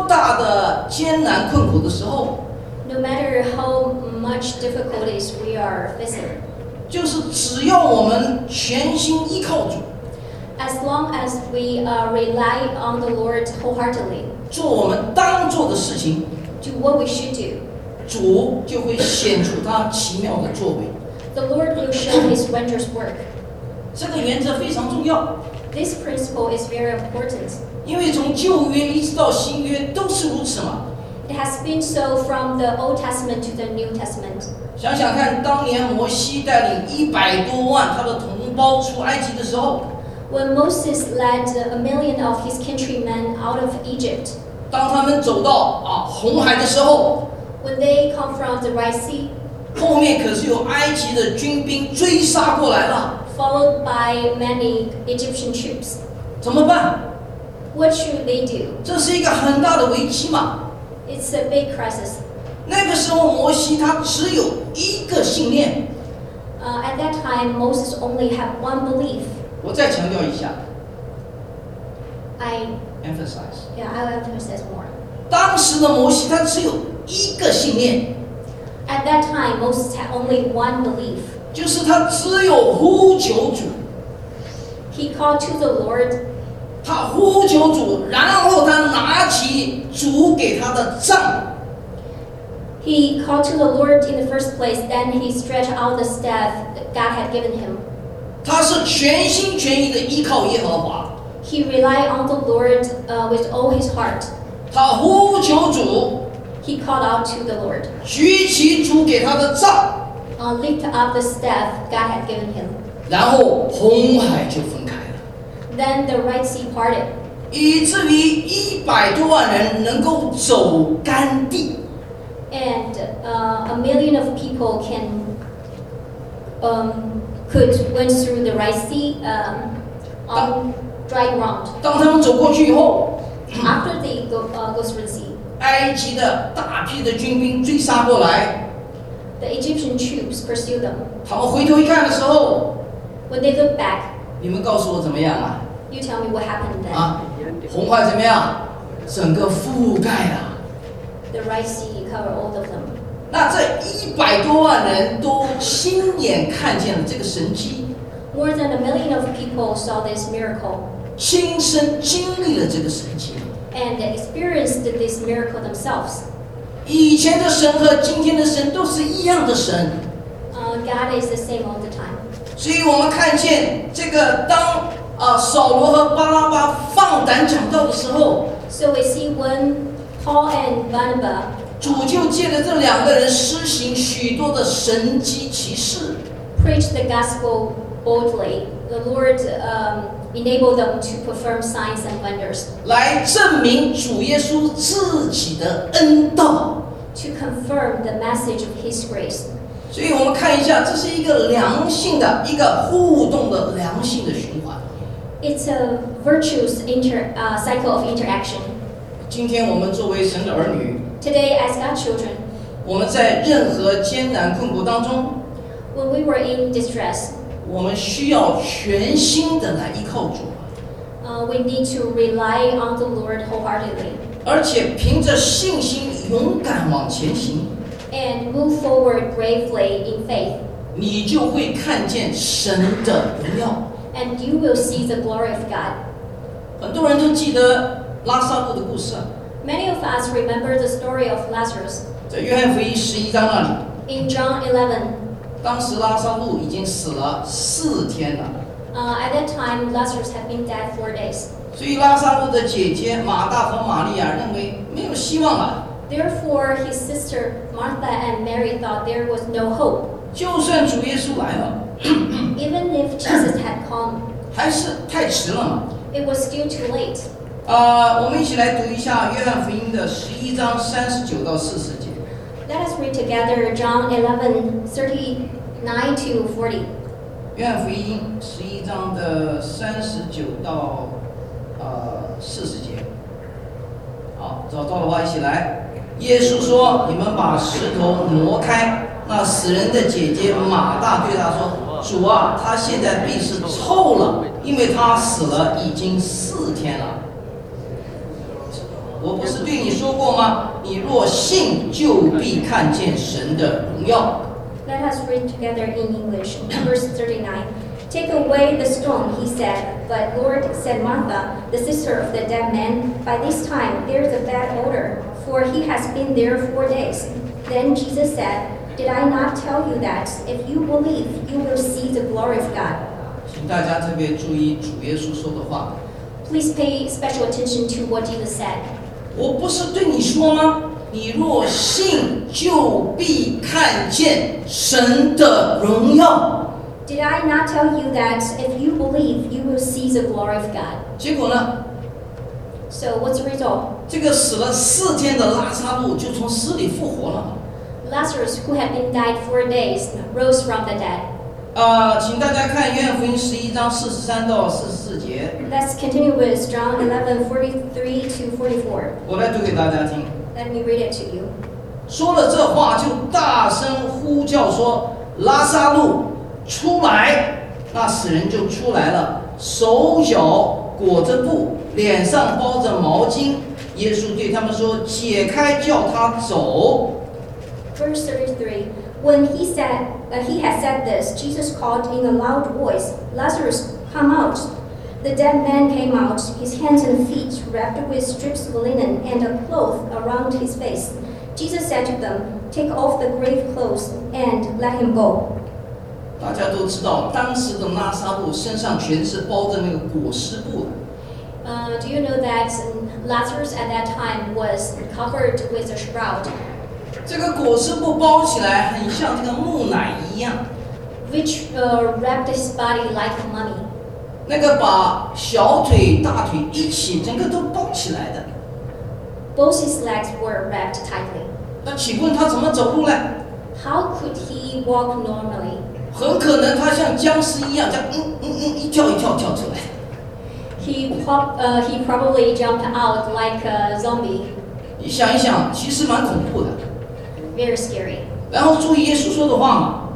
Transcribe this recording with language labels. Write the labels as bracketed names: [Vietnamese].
[Chinese] 就是无论我们面对多大的艰难困苦的时候， [English] No matter how much difficulties we are facing, [Chinese] 就是只要我们全心依靠主， [English] As long as we rely on the Lord wholeheartedly, [Chinese] 做我们当做的事情， [English] Do what we should do, [Chinese] 主就会显出他奇妙的作为。 [English] The Lord will show his wondrous work. [Chinese] 这个原则非常重要。 [English] This principle is very important. [Chinese] 因为从旧约一直到新约都是如此嘛。 [English] It has been so from the Old Testament to the New Testament. [Chinese] 想想看，当年摩西带领100多万他的同胞出埃及的时候。 [English] When Moses led 1 million of his countrymen out of Egypt. [Chinese] 当他们走到红海的时候。 [English] When they come from the Red Sea. [Chinese] 后面可是有埃及的军兵追杀过来了。 [English] Followed by many Egyptian troops. [Chinese] 怎么办？ [English] What should they do? [Chinese] 这是一个很大的危机嘛。 [English] It's a big crisis. [Chinese] 那个时候摩西他只有一个信念。 [English] At that time, Moses only had one belief. [Chinese] 我再强调一下。 [English] I emphasize. Yeah, I'll emphasize more. [Chinese] 当时的摩西他只有一个信念。 [English] At that time, Moses had only one belief. [Chinese] 就是他只有呼求主。 [English] He called to the Lord. [Chinese] 他呼求主，然后他拿起主给他的杖。 [English] He called to the Lord in the first place, then he stretched out the staff that God had given him. [Chinese] 他是全心全意的依靠耶和华。 [English] He relied on the Lord, with all his heart. [Chinese] 他呼求主。 [English] He called out to the Lord. [Chinese] 举起主给他的杖。 [English] Lift up the staff God had given him. [Chinese] 然后红海就分开了。 [English] Then the Red Sea parted. [Chinese] 以至于一百多万人能够走干地。 [English] And a million of people can could went through the Red Sea on dry ground. [Chinese] 当他们走过去以后。 [English] After they go through the sea. [Chinese] 埃及的大批的军兵追杀过来。 [English] The Egyptian troops pursued them. [Chinese] 他们回头一看的时候。 [English] When they look back. [Chinese] 你们告诉我怎么样啊 [English] ？You tell me what happened then. [Chinese] 红海怎么样？整个覆盖了。 [English] The Red Sea covered all of them. [Chinese] 那这100多万人都亲眼看见了这个神迹。 [English] More than 1 million of people saw this miracle. [Chinese] 亲身经历了这个神迹。 [English] And experienced this miracle themselves. [Chinese] 以前的神和今天的神都是一样的神。 [English] God is the same all the time. [Chinese] 所以我们看见这个当扫罗和巴拉巴放胆讲道的时候。 [English] So we see when Paul and Barnabas. [Chinese] 主就借着这两个人施行许多的神迹奇事。 [English] Preach the gospel boldly. The Lord. Enable them to perform signs and wonders. [Chinese] 来证明主耶稣自己的恩道。 [English] To confirm the message of His grace. [Chinese] 所以我们看一下，这是一个良性的、一个互动的良性的循环。 [English] It's a virtuous cycle of interaction. [Chinese] 今天我们作为神的儿女。 [English] Today, as God's children. [Chinese] 我们在任何艰难困苦当中。 [English] When we were in distress. [Chinese] 我们需要全心的来依靠主。 [English] We need to rely on the Lord wholeheartedly. [Chinese] 而且凭着信心勇敢往前行。 [English] And move forward bravely in faith. [Chinese] 你就会看见神的荣耀。 [English] And you will see the glory of God. [Chinese] 很多人都记得拉撒路的故事。 [English] Many of us remember the story of Lazarus. [Chinese] 在约翰福音11章那里。 [English] In John 11. [Chinese] 当时拉撒路已经死了4天了。 [English] At that time, Lazarus had been dead 4 days. [Chinese] 所以拉撒路的姐姐马大和玛利亚认为没有希望了。 [English] Therefore, his sister Martha and Mary thought there was no hope. [Chinese] 就算主耶稣来了。 [English] Even if Jesus had come. [Chinese] 还是太迟了嘛。 [English] It was still too late. [Chinese] 我们一起来读一下约翰福音的11章39到40节。 [English] Let us read together John 11:39-40. [Chinese] 约翰福音11章39到40节。好，找到了吧？一起来。耶稣说：“你们把石头挪开。” 那死人的姐姐马大对他说：“主啊，他现在必是臭了，因为他死了已经4天了。” 我不是对你说过吗？你若信，就必看见神的荣耀。 [English] Let us read together in English, verse 39. Take away the stone, he said. But Lord, said Martha, the sister of the dead man, by this time there is a bad odor, for he has been there 4 days. Then Jesus said, Did I not tell you that if you believe, you will see the glory of God? [Chinese] 其请大家特别注意主耶稣说的话。 [English] Please pay special attention to what Jesus said. [Chinese] 我不是对你说吗？你若信，就必看见神的荣耀。 [English] Did I not tell you that if you believe, you will see the glory of God? [Chinese] 结果呢？ [English] So what's the result? [Chinese] 这个死了四天的拉撒路就从死里复活了。 [English] Lazarus, who had been dead for days, rose from the dead. [Chinese] 请大家看约翰福音十一章四十三到四十四节。 [English] Let's continue with John 11:43-44. [Chinese] 我来读给大家听。 [English] Let me read it to you. [Chinese] 说了这话，就大声呼叫说：“拉撒路，出来！” 那死人就出来了，手脚裹着布，脸上包着毛巾，耶稣对他们说，解开叫他走。 [English] Verse 33, when he had said this, Jesus called in a loud voice, Lazarus, come out. The dead man came out, his hands and feet wrapped with strips of linen and a cloth around his face. Jesus said to them, take off the grave clothes and let him go. [Chinese] 大家都知道，当时的拉撒路身上全是包着那个裹尸布的。 [English] Do you know that Lazarus at that time was covered with a shroud? [Chinese] 这个裹尸布包起来很像这个木乃一样。 [English] Which wrapped his body like a mummy. [Chinese] 那个把小腿、大腿一起整个都包起来的。 [English] Both his legs were wrapped tightly. [Chinese] 那请问他怎么走路呢？ [English] How could he walk normally? [Chinese] 很可能他像僵尸一样，这样一跳一跳跳出来。 [English] He probably jumped out like a zombie. [Chinese] 你想一想，其实蛮恐怖的。 [English] Very scary. [Chinese] 然后注意耶稣说的话嘛。